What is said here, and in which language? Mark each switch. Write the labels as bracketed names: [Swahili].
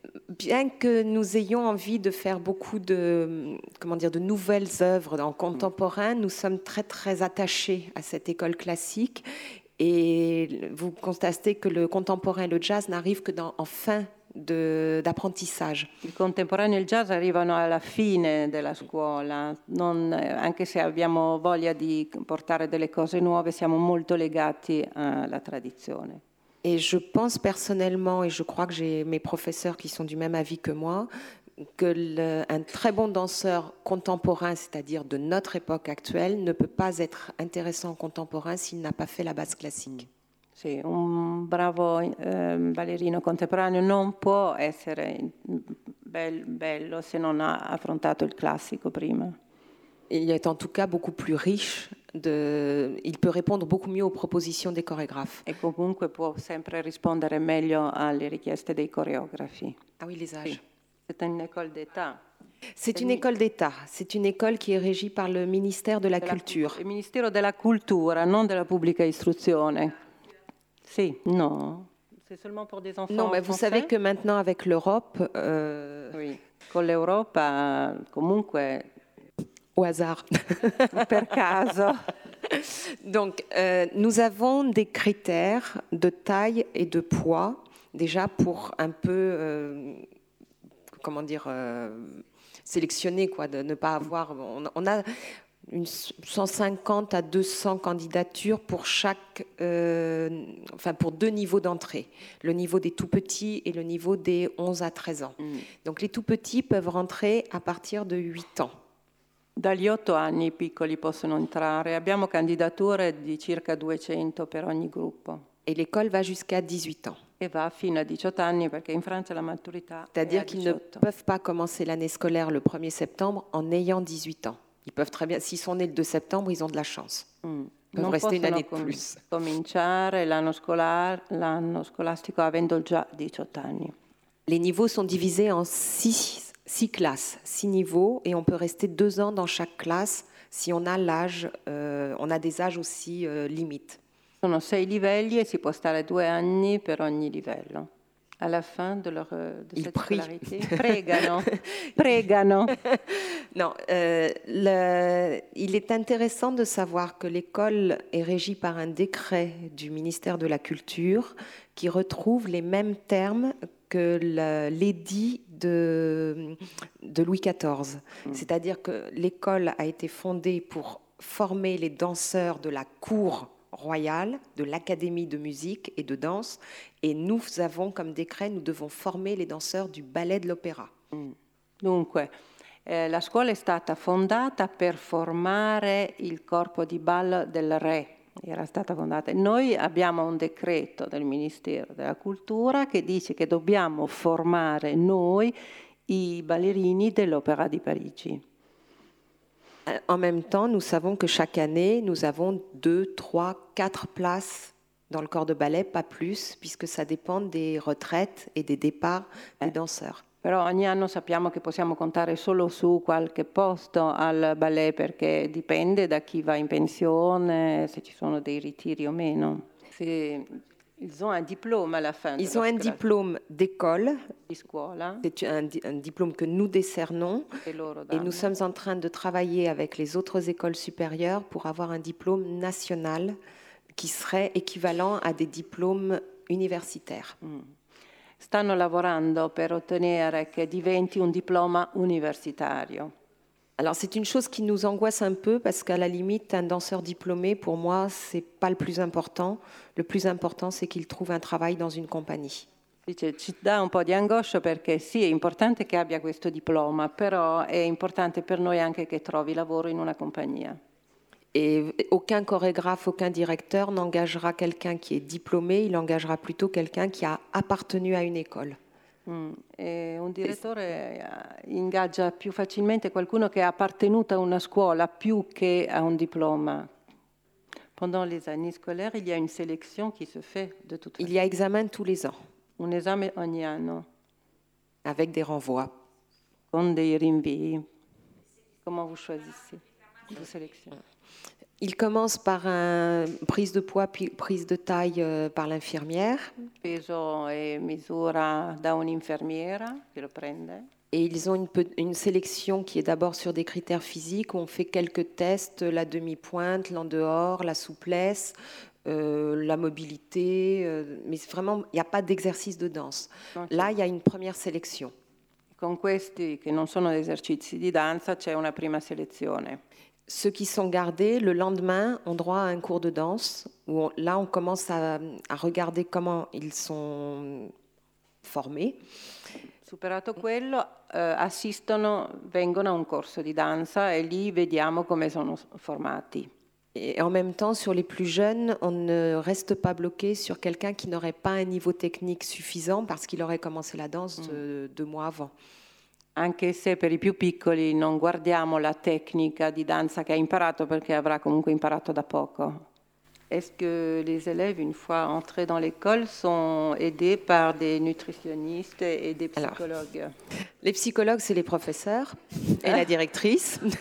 [French] Bien que nous ayons envie de faire beaucoup de, comment dire, de nouvelles œuvres en contemporain, nous sommes très, très attachés à cette école classique. Et vous constatez que le contemporain et le jazz n'arrivent que en fin d'apprentissage. [Italian] Il contemporaneo e il jazz arrivano alla fine della scuola, non, anche se abbiamo voglia di portare delle cose nuove, siamo molto legati alla tradizione. [French] Et je pense personnellement, et je crois que j'ai mes professeurs qui sont du même avis que moi, que un très bon danseur contemporain, c'est-à-dire de notre époque actuelle, ne peut pas être intéressant contemporain s'il n'a pas fait la base classique. [Italian] Sì, un bravo ballerino contemporaneo non può essere bello se non ha affrontato il classico prima. [French] Il est en tout cas beaucoup plus riche, il peut répondre beaucoup mieux aux propositions des chorégraphes. [Italian] E comunque può sempre rispondere meglio alle richieste dei coreografi. [French] Ah oui, les âges. [Italian] Sì. [French] C'est une école d'État. C'est une école d'État. C'est une école qui est régie par le ministère de la culture. [Italian] Il ministero della cultura, non della pubblica istruzione. Sì, no. [French] C'est seulement pour des enfants. Non, mais vous savez que maintenant avec l'Europe, oui, [Italian] con l'Europa comunque [French] au hasard, [Italian] per caso. [French] Donc, nous avons des critères de taille et de poids déjà pour un peu comment dire sélectionner quoi, de ne pas avoir on a une 150 à 200 candidatures pour chaque, enfin pour deux niveaux d'entrée, le niveau des tout petits et le niveau des 11 à 13 ans. Donc les tout petits peuvent rentrer à partir de 8 ans. [Italian] Dagli 8 anni i piccoli possono entrare. Abbiamo candidature di circa 200 per ogni gruppo. [French] Et l'école va jusqu'à 18 ans. Et [Italian] va fino a 18 anni perché in Francia la maturità. [French] C'est-à-dire qu'ils ne peuvent pas commencer l'année scolaire le 1er septembre en ayant 18 ans. Ils peuvent très bien, s'ils sont nés le 2 septembre, ils ont de la chance. Ils peuvent rester une année de plus. [Italian] Cominciare l'anno scolastico avendo già 18 anni. [French] Les niveaux sont divisés en 6 classes, 6 niveaux, et on peut rester 2 ans dans chaque classe si on a l'âge, on a des âges aussi limites. [Italian] Sono 6 livelli e si può stare 2 anni per ogni livello. [French] À la fin de leur de ils cette prient. Scolarité, [Italian] prégano. [French] Non, il est intéressant de savoir que l'école est régie par un décret du ministère de la Culture qui retrouve les mêmes termes que l'édit de Louis XIV. C'est-à-dire que l'école a été fondée pour former les danseurs de la cour royale, de l'Académie de musique et de danse, et nous avons comme décret, nous devons former les danseurs du ballet de l'opéra. Donc, [Italian] la scuola è stata fondata per formare il corpo di ballo del re. Era stata fondata. Noi abbiamo un decreto del Ministero della Cultura che dice che dobbiamo formare noi i ballerini dell'Opéra di Parigi. [French] En même temps, nous savons que chaque année, nous avons 2, 3, 4 places dans le corps de ballet, pas plus, puisque ça dépend des retraites et des départs des danseurs. [Italian] Però ogni anno sappiamo che possiamo contare solo su qualche posto al ballet perché dipende da chi va in pensione, se ci sono dei ritiri o meno. [French] Se ils ont un diplôme à la fin. Ils ont un diplôme d'école. [Italian] Di scuola. [French] C'est un diplôme que nous décernons. Et, [Italian] loro [French] et nous sommes en train de travailler avec les autres écoles supérieures pour avoir un diplôme national qui serait équivalent à des diplômes universitaires. [Italian] Stanno lavorando per ottenere che diventi un diploma universitario. [French] Alors c'est une chose qui nous angoisse un peu parce qu'à la limite un danseur diplômé pour moi c'est pas le plus important. Le plus important c'est qu'il trouve un travail dans une compagnie. [Italian] Dice, ci dà un po' di angoscia perché sì è importante che abbia questo diploma, però è importante per noi anche che trovi lavoro in una compagnia. [French] Et aucun chorégraphe, aucun directeur n'engagera quelqu'un qui est diplômé, il engagera plutôt quelqu'un qui a appartenu à une école. Et [Italian] un direttore ingaggia più facilmente qualcuno che è appartenuto a una scuola più che a un diploma. [French] Pendant les années scolaires, il y a une sélection qui se fait de toute façon. Il y a examen tous les ans. [Italian] Un esame ogni anno. [French] Avec des renvois. [Italian] Con dei rinvii. [French] Comment vous choisissez vos sélections? Il commence par une prise de poids puis prise de taille par l'infirmière. [Italian] Peso e misura da un'infermiera che lo prende. [French] Et ils ont une sélection qui est d'abord sur des critères physiques. On fait quelques tests, la demi-pointe, l'en dehors, la souplesse, la mobilité. Mais vraiment, il n'y a pas d'exercice de danse. Okay. Là, il y a une première sélection. [Italian] Con questi che non sono esercizi di danza, c'è una prima selezione. [French] Ceux qui sont gardés, le lendemain, ont droit à un cours de danse. Où on, là, on commence à regarder comment ils sont formés. [Italian] Superato quello, assistono, vengono a un corso di danza e lì vediamo come sono formati. [French] Et en même temps, sur les plus jeunes, on ne reste pas bloqué sur quelqu'un qui n'aurait pas un niveau technique suffisant parce qu'il aurait commencé la danse deux mois avant. [Italian] Anche se per i più piccoli non guardiamo la tecnica di danza che ha imparato perché avrà comunque imparato da poco. [French] Est-ce que les élèves, une fois entrés dans l'école, sont aidés par des nutritionnistes et des psychologues? Alors, les psychologues, c'est les professeurs et la directrice.